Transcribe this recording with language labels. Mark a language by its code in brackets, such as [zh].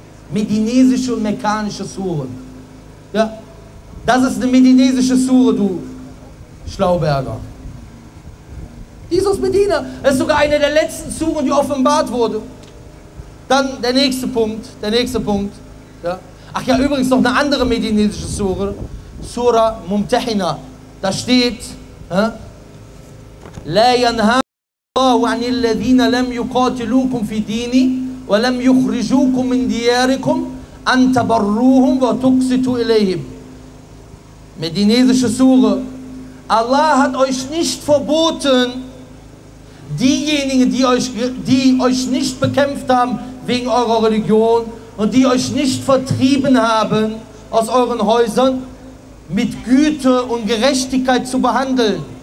[de] Medinesische und mekkanische Suren. Ja, das ist eine medinesische Sure, du Schlauberger. Jesus Medina, das ist sogar eine der letzten Suren, die offenbart wurde. Dann der nächste Punkt, ja. Ach ja, übrigens noch eine andere medinesische Sura, Sura Mumtahina. Da steht, [ar] لا ينهاكم الله عن الذين لم يقاتلوكم في ديني ولم يخرجوكم من دياركم أن تبروهم وتقسطوا إليهم. [de] Medinesische Sura. Allah hat euch nicht verboten, diejenigen, die euch nicht bekämpft haben wegen eurer Religion und die euch nicht vertrieben haben aus euren Häusern, mit Güte und Gerechtigkeit zu behandeln.